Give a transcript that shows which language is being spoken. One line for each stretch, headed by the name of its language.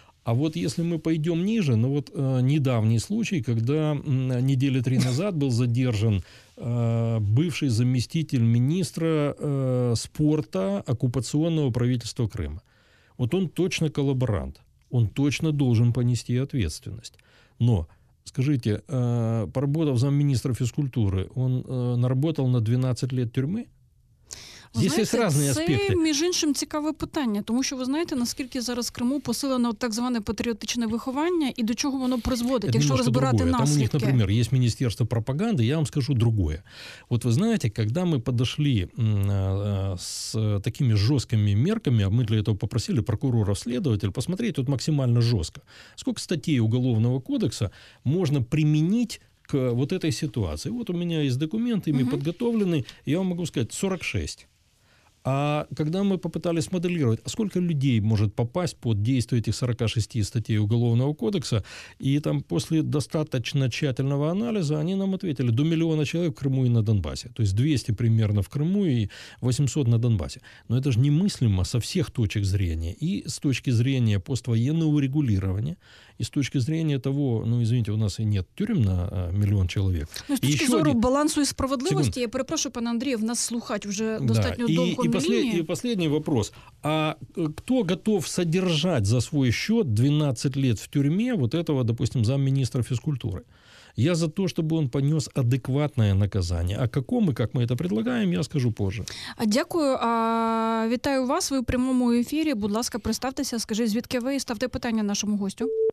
Russian: А вот если мы пойдем ниже, ну вот недавний случай, когда недели три назад был задержан бывший заместитель министра спорта оккупационного правительства Крыма. Вот он точно коллаборант, он точно должен понести ответственность. Но, скажите, поработав замминистра физкультуры, он наработал на 12 лет тюрьмы?
Ukrainian: Знаєте, є різні аспекти. Це, між іншим, цікаве питання, тому що ви знаєте, наскільки зараз в Криму посилено так зване патріотичне виховання і до чого воно призводить, якщо розбирати наслідки. Там у них, наприклад, є Міністерство пропаганди, я вам скажу друге. От ви знаєте, коли ми підійшли з такими жорсткими мерками, а ми для цього попросили прокурора-слідувателя
Russian: посмотреть,
Ukrainian: тут максимально жорстко, скільки статей Уголовного кодексу можна примінити
Russian: к вот этой ситуации. Вот у меня есть документы, ими подготовлены, я вам могу сказать, 46. А когда мы попытались моделировать, сколько людей может попасть под действие этих 46 статей Уголовного кодекса, и там после достаточно тщательного анализа они нам ответили, до 1 000 000 человек в Крыму и на Донбассе. То есть 200 примерно в Крыму и 800 на Донбассе. Но это же немыслимо со всех точек зрения. И с точки зрения поствоенного урегулирования, и с точки зрения того, ну извините, у нас и нет тюрем на 1 000 000 человек. Но с точки зрения баланса и справедливости,
Ukrainian: я перепрошу,
Russian: пан Андреев,
Ukrainian: нас слухать
Russian: уже достаточно долго. И последний вопрос. А кто готов содержать за свой счет 12 лет в тюрьме вот этого, допустим, замминистра физкультуры? Я за то, чтобы он понес адекватное наказание. А каком и как мы это предлагаем, я скажу позже.
Ukrainian: Дякую. Вітаю вас. Ви в прямому ефірі. Будь ласка, представтеся, скажіть, звідки ви, і ставте питання нашому гостю.